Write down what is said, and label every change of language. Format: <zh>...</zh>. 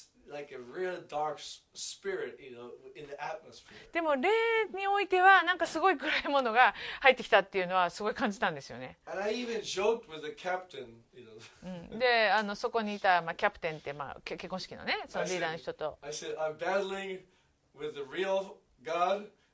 <en>like a real dark spirit, you know, in the atmosphere.</en> <ja>でも霊においてはなんかすごい暗いものが入ってきたっていうのはすごい感じたんですよね。</ja> <en>And I even joked with the captain, you know.</en> <ja>で、あのそこにいた、まあ、キャプテンって、まあ、結婚式のね、そのリーダーの人と。</ja> <en>I said, I'm battling with the real God.</en>